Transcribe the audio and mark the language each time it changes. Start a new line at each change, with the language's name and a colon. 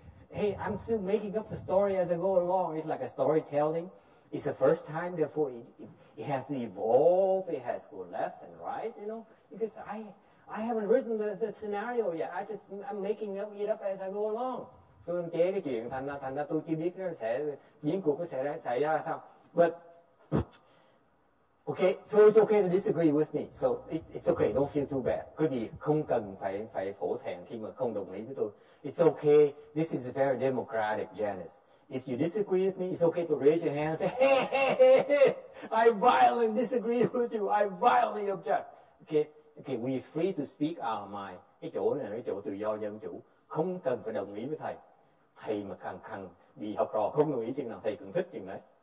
English: Hey, I'm still making up the story as I go along. It's like a storytelling. It's the first time, therefore it has to evolve. It has to go left and right, you know. Because I haven't written the scenario yet. I'm making it up as I go along.
Vietnamese: Tôi đang chế cái chuyện thành ra tôi chưa biết nó sẽ diễn cuộc nó sẽ xảy ra sao.
English: But okay, so it's okay to disagree with me. So it's okay. Don't feel too bad.
Vietnamese: Quý vị không cần phải phổ thẹn khi mà không đồng ý với tôi.
English: It's okay. This is a very democratic, Janice. If you disagree with me, it's okay to raise your hand and say, hey, I violently disagree with you. I violently object. Okay. We're free to speak our mind.
Vietnamese: Cái chỗ này là cái chỗ tự do dân chủ. Không cần phải đồng ý với thầy. Thầy mà càng bị học trò không đồng ý chừng nào thầy càng thích chừng đấy.